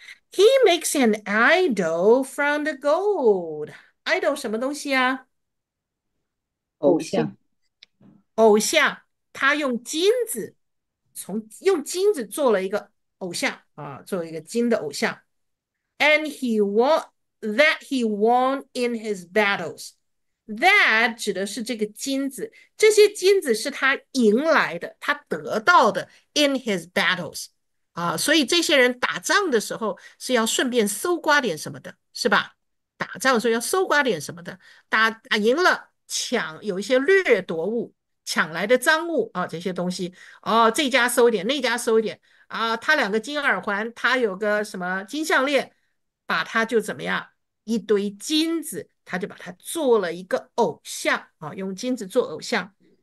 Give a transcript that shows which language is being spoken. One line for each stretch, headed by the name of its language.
English: He makes an idol from the gold.
Chinese: Idol 什么东西啊？偶偶像。像，偶像，他用金子，用金子做了一个偶像啊，做一个金的偶像。
English: And he won that he won in his battles.
Chinese: That 指的是这个金子，这些金子是他赢来的，他得到的。
English: In his battles，
Chinese: 啊，所以这些人打仗的时候是要顺便搜刮点什么的，是吧？打仗的时候要搜刮点什么的，打赢了。抢有一些掠夺物，抢来的赃物啊，这些东西哦，这家收一点，那家收一点啊，他两个金耳环，他有个什么金项链，把他就怎么样，一堆金子，他就把它做了一个偶像啊，用金子做偶像。